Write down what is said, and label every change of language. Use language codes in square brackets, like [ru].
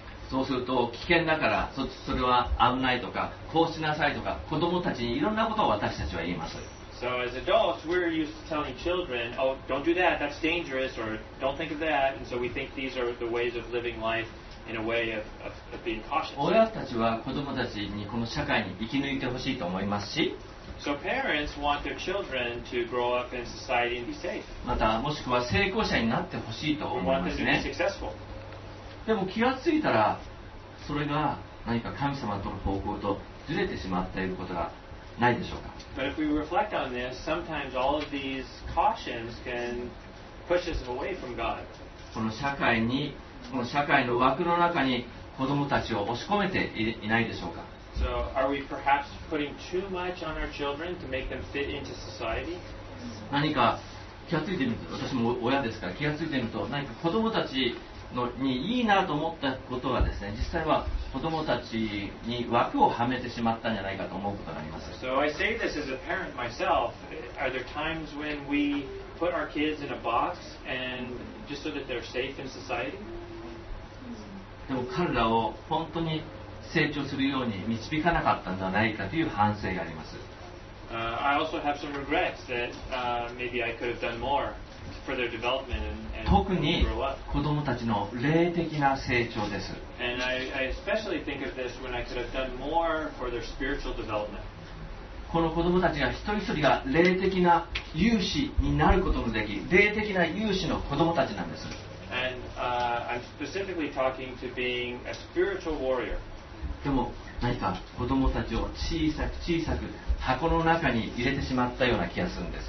[ja] そうすると危険だから それは危ないとかこうしなさいとか子供たちにいろんなことを私たちは言います。 [en] So as adults, we're used to telling children, oh, don't do that, that's dangerous, or don't think of that. And so we think these are the ways of living life in a way of being cautious. [ja] 親たちは子供たちにこの社会に生き抜いてほしいと思いますし、 [en] So parents want their children to grow up in society and be safe. [ja] またもしくは成功者になってほしいと思いますね。 [en] We want them to be successful. [ja] でも気がついたらそれが何か神様との方向とずれてしまっていることがないでしょうか。 [en] But if we reflect on this, sometimes all of these cautions can push us away from God. [ja] この社会の枠の中に子供たちを押し込めていないでしょうか。 [en] So are we perhaps putting too much on our children to make them fit into society? [ja] 何か気がついてみると、私も親ですから気がついてみると、何か子供たちのにいいなと思ったことはですね、実際は子供たちに枠をはめてしまったんじゃないかと思うことがあります。 [en] So I say this as a parent myself. Are there times when we put our kids in a box and just so that they're safe in society? [ja] でも彼らを本当に成長するように導かなかったんじゃないかという反省があります。 [en] I also have some regrets that maybe I could have done more for their development and grow up. [ja] 特に子供たちの霊的な成長です。 [en] And I especially think of this when I could have done more for their spiritual development. [ja] この子供たちが一人一人が霊的な勇士になることのでき、霊的な勇士の子供たちなんです。 [en] And I'm specifically talking to being a spiritual warrior. [ja] でも何か子供たちを小さく箱の中に入れてしまったような気がするんです